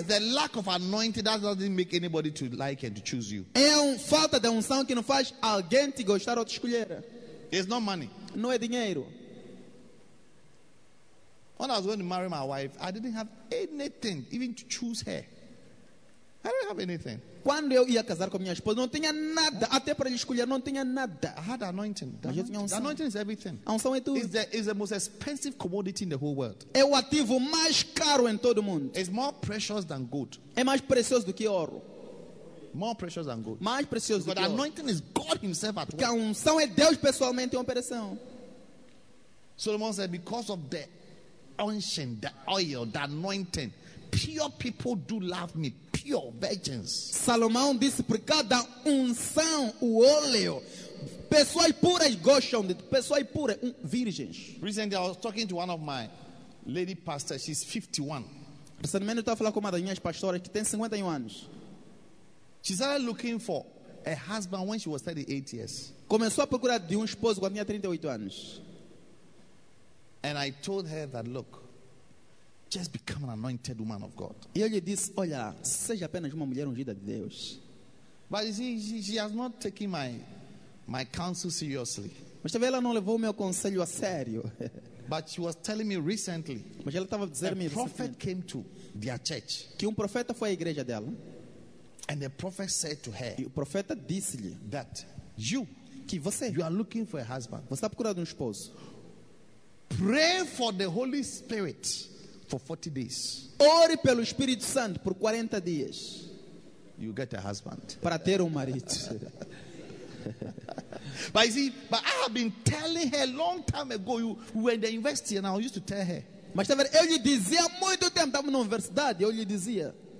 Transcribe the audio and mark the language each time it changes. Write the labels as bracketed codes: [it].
[en] It's the lack of anointing that doesn't make anybody to like and to choose you. [pt] É falta de unção que não faz alguém te gostar ou te escolher. [en] It's not money. [pt] Não é dinheiro. [en] When I was going to marry my wife, I didn't have anything even to choose her. I don't have anything. [pt] Quando eu ia casar com minha esposa, não tinha nada. Até para lhe escolher, não tinha nada. [en] I had anointing. [pt] Mas eu tinha unção. [en] The anointing is everything. [pt] A unção é tudo. [en] It's the most expensive commodity in the whole world. [pt] É o ativo mais caro em todo o mundo. [en] It's more precious than gold. [pt] É mais precioso do que ouro. [en] More precious than gold. [pt] Mais precioso do que ouro. [en] But anointing is God himself at work. [pt] Porque a unção é Deus pessoalmente em operação. [en] Solomon said, because of the unction, the oil, the anointing, pure people do love me. [pt] Salomão disse, por cada unção, o óleo, pessoas puras gostam de pessoas puras, virgens. [en] Recently, I was talking to one of my lady pastors, she's 51. [pt] Recentemente, eu estava falando com uma das minhas pastoras, que tem 51 anos. [en] She started looking for a husband when she was 38 years. [pt] Começou a procurar de esposo quando tinha 38 anos. [en] And I told her that, look, just become an anointed woman of God. [pt] E ele disse, olha, seja apenas uma mulher ungida de Deus. [en] But you see, she has not taken my counsel seriously. [pt] Mas também ela não levou meu conselho a sério. [en] But she was telling me recently. [pt] Mas ela estava dizendo-me. [en] A prophet came to their church. [pt] Que profeta foi à igreja dela. [en] And the prophet said to her. [pt] E o profeta disse-lhe [en] that you, [pt] que você, [en] you are looking for a husband. [pt] Você está procurando esposo. [en] Pray for the Holy Spirit. For 40 days. [pt] Ore pelo Espírito Santo por 40 dias. [en] You get a husband. [pt] Para ter marido. [en] But you see, but I have been telling her a long time ago, you were in the university and I used to tell her. [pt] Mas estava, eu lhe dizia muito tempo, estava na universidade, eu lhe dizia.